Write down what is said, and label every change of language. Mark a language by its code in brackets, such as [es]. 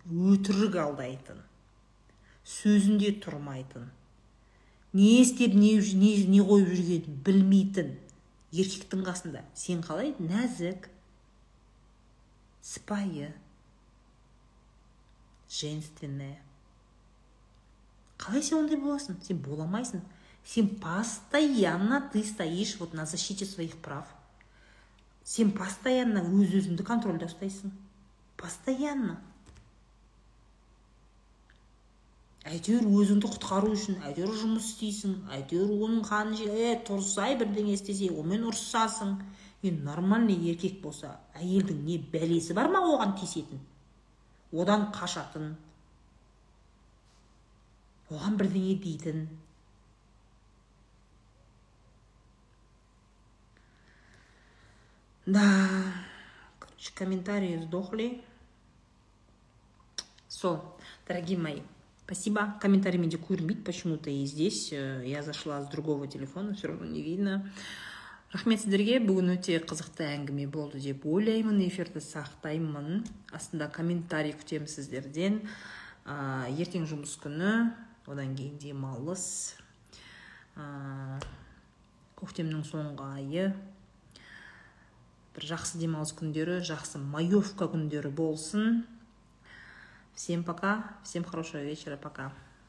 [kk] Өтірік алдайтын. Сөзінде тұрмайтын. Не істеп, не қойып жүргенін білмейтін. Еркектің қасында сен қалай нәзік, сыпайы, женственная. Қалай сен ондай боласың? Сен боламайсың. [ru] Сен постоянно ты стоишь вот на защите своих прав. [kk] Сен постоянно өз-өзіңді контрольде ұстайсың. Постоянно. Әйтеуір өзіңді құтқару үшін, әйтеуір жұмыс істейсің, әйтеуір оның қанын жей, тұрсай бірдеңе істесе, омен ұрсасың. Ең нормальный еркек болса, әйелдің не бәлесі бар ма оған тесетін? Одан қашатын, оған бірдеңе дейтін. [ru] Да, короче, комментарии сдохли. Со, дорогие мои. Спасибо. Комментарий меня курмит почему-то и здесь. Я зашла с другого телефона, все равно не видно. [kk] Рахмет сіздерге. Бүгін өте қызықты әңгіме болды деп ойлаймын. Эфирді сақтаймын. Астында комментарий күтемін сіздерден. Ертең жұмыс күні, одан кейін демалыс. Көктемнің соңғы айы. Бір жақсы демалыс күндері, жақсы маевка күндері болсын. [ru] Всем пока, всем хорошего вечера, пока.